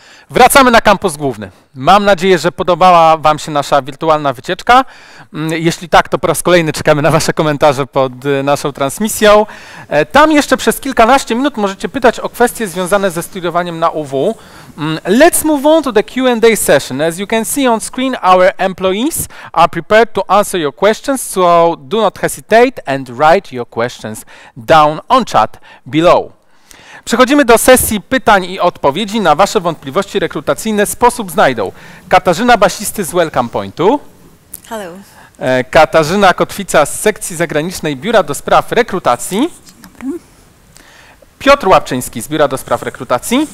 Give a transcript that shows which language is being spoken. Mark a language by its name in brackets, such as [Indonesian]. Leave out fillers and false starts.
[Polish] Wracamy na kampus główny. Mam nadzieję, że podobała Wam się nasza wirtualna wycieczka. Jeśli tak, to po raz kolejny czekamy na Wasze komentarze pod naszą transmisją. Tam jeszcze przez kilkanaście minut możecie pytać o kwestie związane ze studiowaniem na UW. [English] Let's move on to the Q&A session. As you can see on screen, our employees are prepared to answer your questions, so do not hesitate and write your questions down on chat below. [Polish] Przechodzimy do sesji pytań i odpowiedzi. Na Wasze wątpliwości rekrutacyjne sposób znajdą Katarzyna Basisty z Welcome Pointu. [English] Hello. [Polish] Katarzyna Kotwica z sekcji zagranicznej Biura do Spraw Rekrutacji. Dzień dobry. Piotr Łapczyński z Biura do Spraw Rekrutacji.